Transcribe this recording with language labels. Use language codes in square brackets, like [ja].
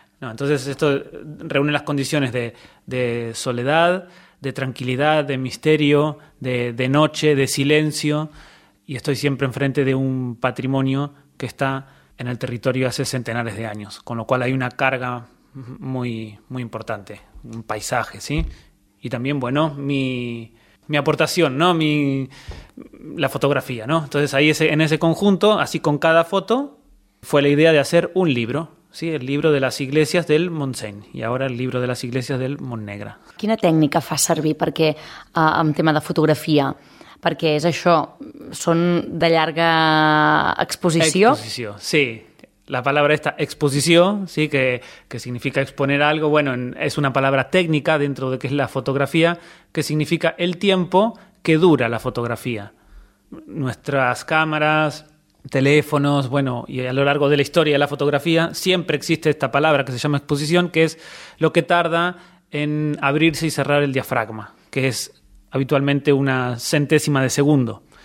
[es] No, entonces esto reúne las condiciones de soledad, de tranquilidad, de misterio, de noche, de silencio, y estoy siempre enfrente de un patrimonio que está en el territorio hace centenares de años, con lo cual hay una carga muy, muy importante, un paisaje, ¿sí? Y también, bueno, mi aportación, ¿no? La fotografía, ¿no? Entonces ahí en ese conjunto, así con cada foto, fue la idea de hacer un libro, ¿sí? El libro de las iglesias del Montseny y ahora el libro de las iglesias del Montnegre. [ca] ¿Quina tècnica fa servir perquè en tema de fotografia? Perquè és això, són de llarga exposició. Exposició, sí. [es] La palabra esta, exposición, ¿sí? que significa exponer algo, bueno, es una palabra técnica dentro de que es la fotografía, que significa el tiempo que dura la fotografía. Nuestras cámaras, teléfonos, bueno, y a lo largo de la historia de la fotografía siempre existe esta palabra que se llama exposición, que es lo que tarda en abrirse y cerrar el diafragma, que es habitualmente una centésima de segundo.